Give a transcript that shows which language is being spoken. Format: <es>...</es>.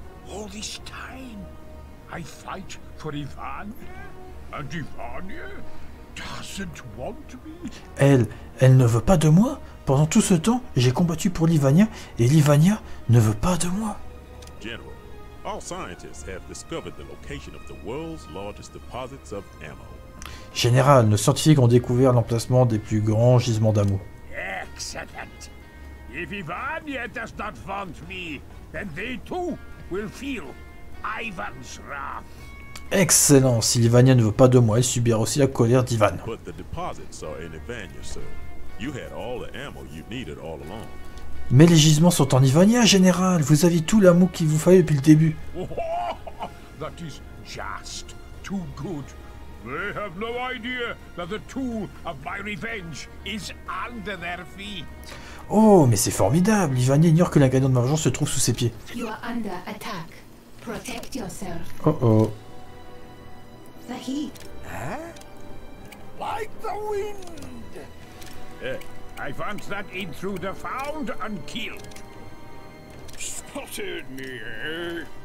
<en>All this time, I fight for Ivania, and Ivania doesn't want me.</en> <fr>Elle ne veut pas de moi. Pendant tout ce temps, j'ai combattu pour Livania, et Livania ne veut pas de moi.</fr> <en>General, all scientists have discovered the location of the world's largest deposits of ammo.</en> <fr>Général, nos scientifiques ont découvert l'emplacement des plus grands gisements d'ammo.</fr> <en>Excellent. If Ivania does not want me, then they too will feel Ivan's wrath. Excellent.</en> <fr>Si Livania ne veut pas de moi, elle subira aussi la colère d'Ivan.</fr> <en>But the deposits are in Ivania, sir. You had all the ammo you needed all along.</en> <fr>Mais les gisements sont en Ivania, général. Vous aviez tout l'ammo qu'il vous fallait depuis le début.</fr> <en>That is just too good. They have no idea that the tool of my revenge is under their feet.</en> <fr>Oh, mais c'est formidable. Ivania ignore que l'ingrédient de ma vengeance se trouve sous ses pieds.</fr> <en>You are under attack. Protect yourself. Oh oh. The heat. Huh? Like the wind. I want that intruder found and killed. Spotted me.</en>